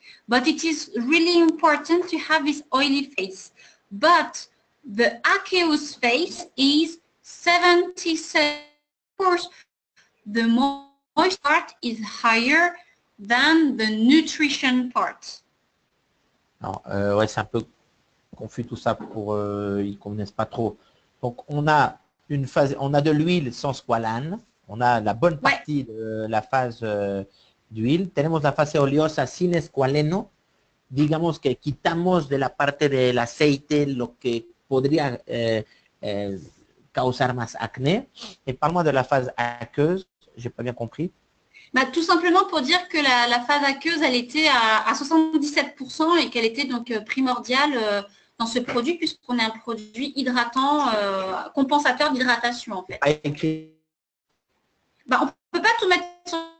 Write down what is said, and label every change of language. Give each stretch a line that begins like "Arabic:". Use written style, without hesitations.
English: But it is really important to have this oily face. But the aqueous face is 77%. Of course, the moist part is higher than the nutrition part.
French: Alors, ouais, c'est un peu confus tout ça pour ils connaissent pas trop. Donc on a une phase, on a de l'huile sans squalane, on a la bonne partie de la phase d'huile.
Spanish: Tenemos la fase oleosa sin squaleno. Digamos que quitamos de la parte del aceite lo que podría causar más acné.
French: Et parle-moi de la phase aqueuse. J'ai pas bien compris. Bah, tout simplement pour dire que la phase aqueuse, elle était à 77% et qu'elle était donc primordiale dans ce produit, puisqu'on est un produit hydratant, compensateur d'hydratation, en fait. Bah, on ne peut pas tout mettre sur...